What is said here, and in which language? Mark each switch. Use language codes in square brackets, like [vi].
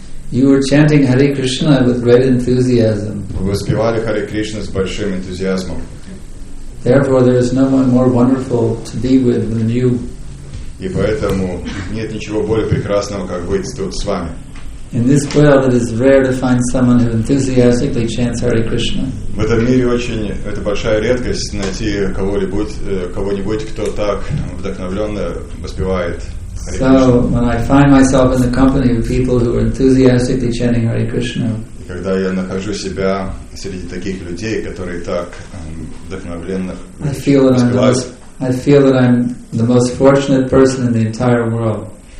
[en] You were chanting Hare Krishna with great enthusiasm. [ru] Вы воспевали Харе Кришну с большим энтузиазмом. [en] Therefore, there is no one more wonderful to be with than you. [ru] И поэтому нет ничего более прекрасного, как быть тут с вами. [en] In this world, it is rare to find someone who enthusiastically chants Hare Krishna. [ru] В этом мире это большая редкость найти кого-нибудь, кто так вдохновленно воспевает. [en] So when I find myself in the company of people who are enthusiastically chanting Hare Krishna, [ru] и когда я нахожу себя среди таких людей, которые так вдохновленно воспевают, [en] I feel that I'm the most fortunate person in the entire world.